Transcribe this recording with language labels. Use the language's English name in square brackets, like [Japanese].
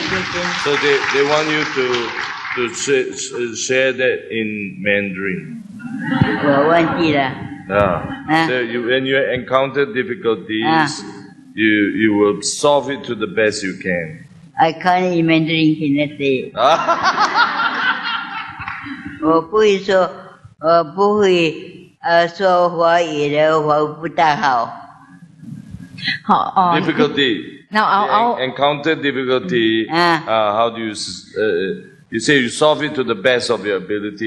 [English] So they want you to share that in Mandarin. [Chinese] 我忘记了。 [English] So you, when you encounter difficulties,you will solve it to the best you can. I can't in Mandarin, can I say? [Chinese] 我不会说我不会说华语的，我不大好。好哦。 [English] Difficulty. Now I'll encounter difficulty. How do you you say you solve it to the best of your ability?